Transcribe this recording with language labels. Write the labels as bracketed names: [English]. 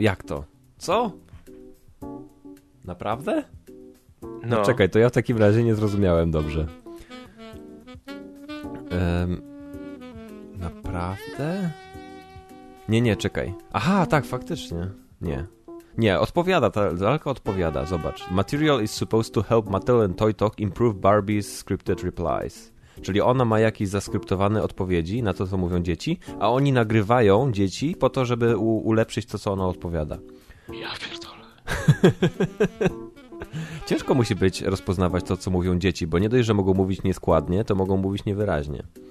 [Polish] Jak to? Co? Naprawdę? No. No czekaj, to ja w takim razie nie zrozumiałem dobrze. Naprawdę? Nie, czekaj. Aha, tak, faktycznie. Nie. Nie, odpowiada, ta lalka odpowiada, zobacz. [English] Material is supposed to help Mattel and Toy Talk improve Barbie's scripted replies. [Polish] Czyli ona ma jakieś zaskryptowane odpowiedzi na to, co mówią dzieci, a oni nagrywają dzieci po to, żeby ulepszyć to, co ona odpowiada. Ja pierdolę. Ciężko musi być rozpoznawać to, co mówią dzieci, bo nie dość, że mogą mówić nieskładnie, to mogą mówić niewyraźnie.